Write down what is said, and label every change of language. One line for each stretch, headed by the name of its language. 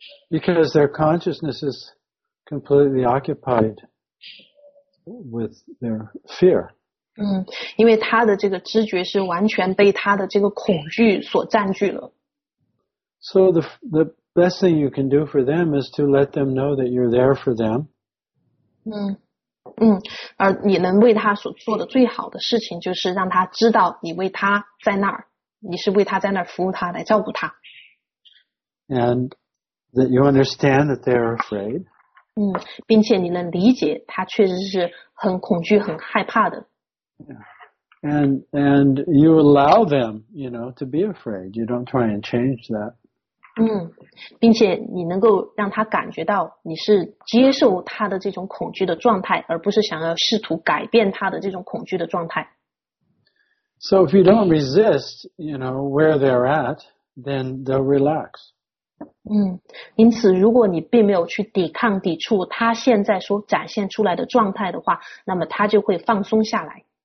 English: Because their consciousness is completely occupied with their fear.
Chinese: 因为他的这个知觉是完全被他的这个恐惧所占据了。
English: So the best thing you can do for them is to let them know that you're there for them.
Chinese: 而你能为他所做的最好的事情就是让他知道你为他在那儿，你是为他在那儿服务他，来照顾他。
English: And that you understand that they're afraid.
Chinese: 并且你能理解他确实是很恐惧很害怕的。
English: Yeah. And you allow them, you know, to be afraid. You don't try and change that.
Chinese: 并且你能够让他感觉到你是接受他的这种恐惧的状态，而不是想要试图改变他的这种恐惧的状态。
English: So if you don't resist, you know, where they're at, then they'll relax.
Chinese: 因此，如果你并没有去抵抗、抵触他现在所展现出来的状态的话，那么他就会放松下来。